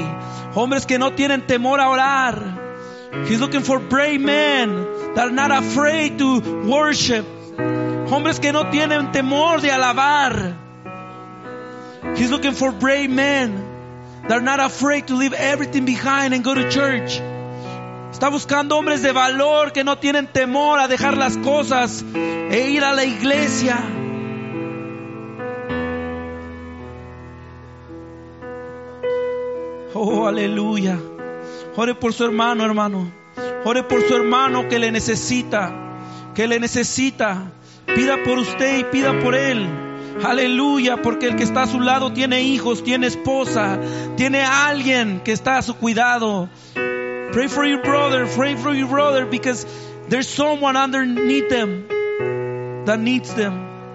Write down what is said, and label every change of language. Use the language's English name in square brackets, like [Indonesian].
[Spanish] Hombres que no tienen temor a orar. [English] He's looking for brave men that are not afraid to worship. [Spanish] Hombres que no tienen temor de alabar. [English] He's looking for brave men that are not afraid to leave everything behind and go to church. [Spanish] Está buscando hombres de valor que no tienen temor a dejar las cosas e ir a la iglesia. Oh, aleluya. Ore por su hermano, hermano. Ore por su hermano que le necesita. Que le necesita. Pida por usted y pida por él. Aleluya, porque el que está a su lado tiene hijos, tiene esposa, tiene alguien que está a su cuidado. [English] Pray for your brother, pray for your brother, because there's someone underneath them that needs them.